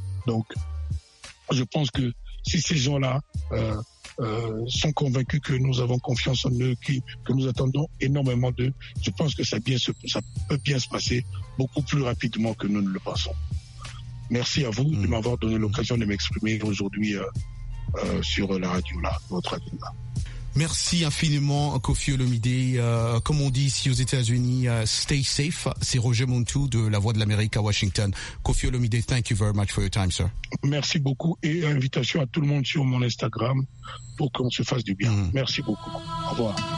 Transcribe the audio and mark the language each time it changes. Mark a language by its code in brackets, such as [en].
[fr] Donc, je pense que si ces gens-là sont convaincus que nous avons confiance en eux, que nous attendons énormément d'eux, je pense que ça peut bien se passer beaucoup plus rapidement que nous ne le pensons. Merci à vous de m'avoir donné l'occasion de m'exprimer aujourd'hui sur la radio là, votre radio là. Merci infiniment Kofi Olomide. Comme on dit ici aux États-Unis, [en] stay safe. [fr] C'est Roger Muntu de La Voix de l'Amérique à Washington. [en] Kofi Olomide, thank you very much for your time, sir. [fr] Merci beaucoup et invitation à tout le monde sur mon Instagram pour qu'on se fasse du bien. Merci beaucoup. Au revoir.